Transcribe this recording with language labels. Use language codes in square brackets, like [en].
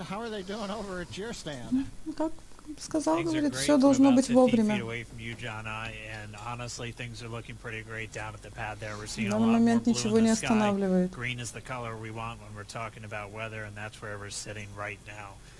[en] How are they doing over at your stand? [ru] Как сказал, говорит, все должно быть вовремя. [en] You, John, I, and honestly, things are looking pretty great down at the pad there. We're seeing a lot more blue in the sky. [ru] Останавливает. [en] Green is the color we want when we're talking about weather, and that's where we're sitting right now.